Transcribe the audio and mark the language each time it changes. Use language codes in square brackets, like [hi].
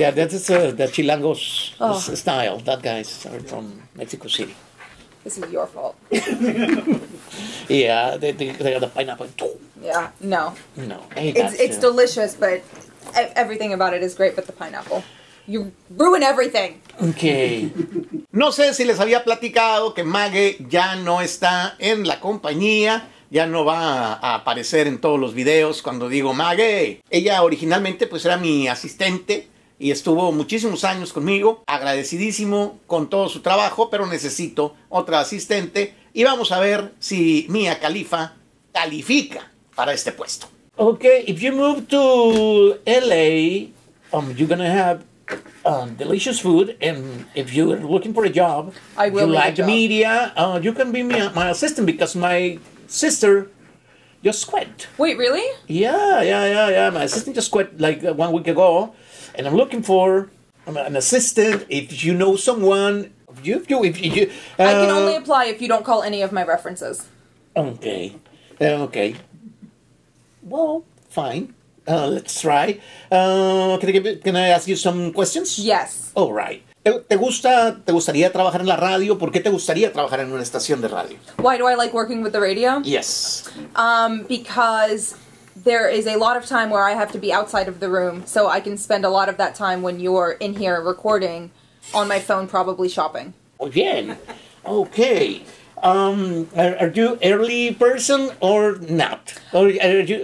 [en] Yeah, that's the Chilangos style. That guy's from Mexico City. This is your fault. Yeah, they got the pineapple. Yeah, no. No, It's delicious, but everything about it is great, but the pineapple. You ruin everything. Okay. [es] No sé si les había platicado que Mague ya no está en la compañía, ya no va a aparecer en todos los videos cuando digo Mague. Ella originalmente pues era mi asistente y estuvo muchísimos años conmigo, agradecidísimo con todo su trabajo, pero necesito otra asistente y vamos a ver si Mia Khalifa califica para este puesto. [en] Okay, if you move to LA, you're gonna have delicious food, and if you're looking for a job, I will you like the media, you can be my assistant, because my sister just quit. Wait, really? Yeah. My assistant just quit like 1 week ago, and I'm looking for an assistant. If you know someone, if you I can only apply if you don't call any of my references. Okay. Well, fine. Let's try. Can I ask you some questions? Yes. All right. [es] ¿Te gustaría trabajar en la radio? ¿Por qué te gustaría trabajar en una estación de radio? [en] Why do I like working with the radio? Yes. Because there is a lot of time where I have to be outside of the room, so I can spend a lot of that time when you're in here recording on my phone, probably shopping. [es] Muy bien. [en] Okay. Are you early person or not? Or are you,